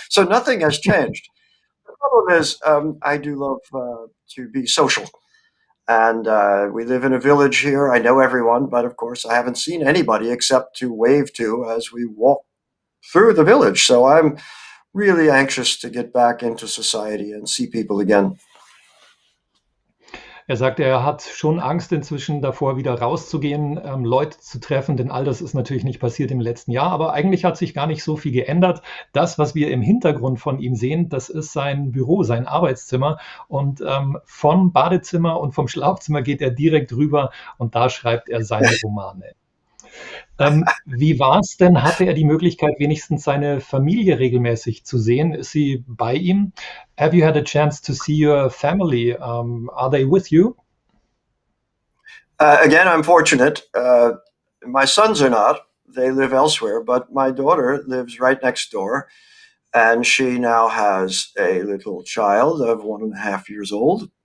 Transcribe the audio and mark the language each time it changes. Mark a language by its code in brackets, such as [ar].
[en] So nothing has changed. The problem is, I do love to be social. And we live in a village here. I know everyone, but of course, I haven't seen anybody except to wave to as we walk through the village. So I'm really anxious to get back into society and see people again. [de] Er sagte, er hat schon Angst inzwischen davor, wieder rauszugehen, Leute zu treffen, denn all das ist natürlich nicht passiert im letzten Jahr, aber eigentlich hat sich gar nicht so viel geändert. Das, was wir im Hintergrund von ihm sehen, das ist sein Büro, sein Arbeitszimmer und vom Badezimmer und vom Schlafzimmer geht er direkt rüber und da schreibt er seine Romane. Wie war es denn? Hatte er die Möglichkeit, wenigstens seine Familie regelmäßig zu sehen? Ist sie bei ihm? [en] Have you had a chance to see your family? Are they with you? Again, I'm fortunate. My sons are not. They live elsewhere. But my daughter lives right next door. And she now has a little child of 1.5 years old.